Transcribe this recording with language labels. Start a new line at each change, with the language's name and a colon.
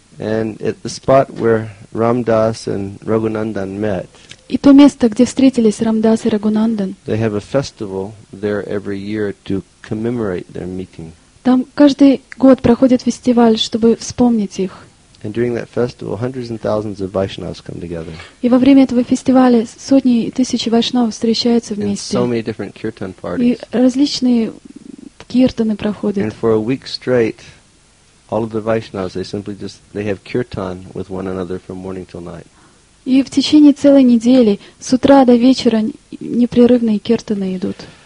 English: And at the spot where Ramdas and Raghunandan met.
Russian: И то место, где встретились Рамдас и Рагунандан.
English: They have a festival there every year to commemorate their meeting.
Russian: Там каждый год проходит фестиваль, чтобы вспомнить их.
English: And during that festival, hundreds and thousands of Vaishnavas come together.
Russian: И во время этого фестиваля сотни и тысячи вайшнав встречаются вместе.
English: And so many different kirtan parties.
Russian: И различные киртаны проходят.
English: And for a week straight, all of the Vaishnavas they have kirtan with one another from morning till night.
Russian: И в течение целой недели с утра до вечера непрерывные киртаны идут.